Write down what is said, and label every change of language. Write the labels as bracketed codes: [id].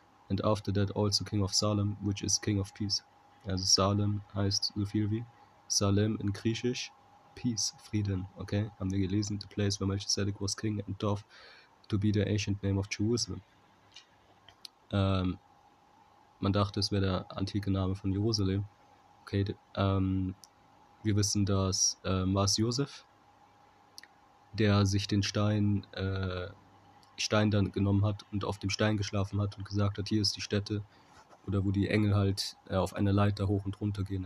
[en] And after that also king of Salem, which is king of peace. [de] Also Salem heißt so viel wie Salem in Griechisch. Peace, Frieden. Okay, haben wir gelesen. [en] The place where Melchizedek was king and thought to be the ancient name of Jerusalem. [de] Man dachte, es wäre der antike Name von Jerusalem. Okay, wir wissen, dass war es Josef, der sich den Stein dann genommen hat und auf dem Stein geschlafen hat und gesagt hat, hier ist die Stätte oder wo die Engel halt auf einer Leiter hoch und runter gehen.